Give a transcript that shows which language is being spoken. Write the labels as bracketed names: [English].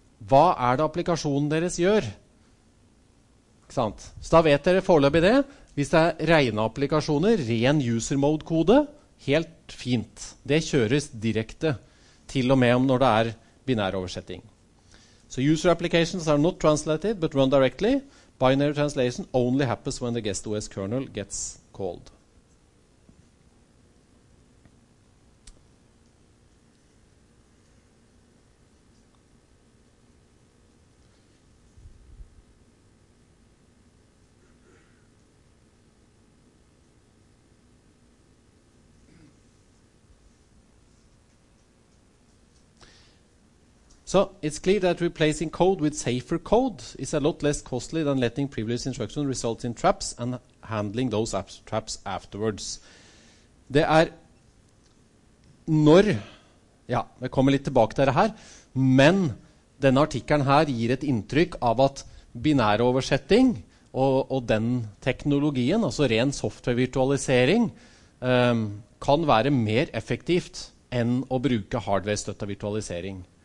[Norwegian] Hva det applikasjonen deres gjør? Ikke sant? Så da vet dere forløpig det. Hvis det rene applikasjoner, ren user mode kode, helt fint. Det kjøres direkte, til og med når det binær oversetting. [English] Så so user applications are not translated, but run directly. Binary translation only happens when the guest OS kernel gets called. So it's clear that replacing code with safer code is a lot less costly than letting privileged instructions result in traps and handling those traps afterwards. [Norwegian] Det når, ja, vi kommer litt tilbake til det her, men denne artikkelen her gir et inntrykk av at binær oversetting og den teknologien, altså ren software-virtualisering, kan være mer effektivt enn å bruke hardware-støttet virtualisering.